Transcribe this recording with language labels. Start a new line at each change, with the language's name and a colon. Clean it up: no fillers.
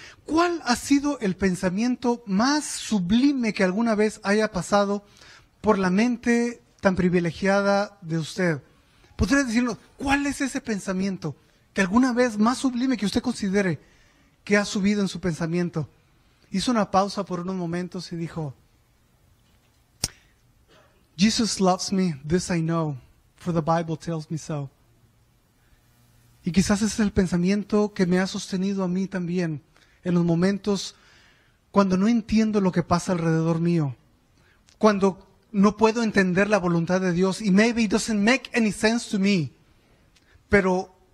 Spanish: ¿Cuál ha sido el pensamiento más sublime que alguna vez haya pasado por la mente tan privilegiada de usted? ¿Podría decirnos cuál es ese pensamiento que alguna vez más sublime que usted considere que ha subido en su pensamiento? Hizo una pausa por unos momentos y dijo,
English: Jesus loves me, this I know, for the Bible tells me so.
Spanish: Y quizás ese es el pensamiento que me ha sostenido a mí también en los momentos cuando no entiendo lo que pasa alrededor mío, cuando no puedo entender la voluntad de Dios, y
English: maybe it doesn't make any sense to me,
Spanish: pero